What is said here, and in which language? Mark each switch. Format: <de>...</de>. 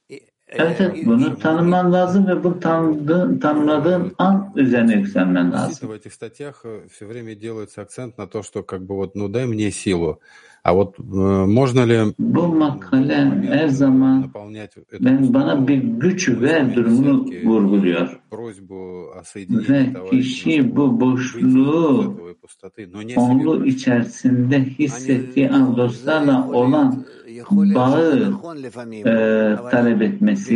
<tr>Evet, evet, bunu tanıman lazım ve bu tanımladığın an üzerine yükselmen lazım.</tr> <ru>В этих статьях все время делается акцент на то, что как бы вот, ну дай мне силу. А вот можно ли...</ru> <tr>Bu makale her zaman ben bana bir güç ver durumunu vurguluyor.</tr> <ru>Просьбу о соединении</ru> <tr>ve kişi bu boşluğu onlu içerisinde hissettiği an dostlarla olan bağı talep etmesi.</tr>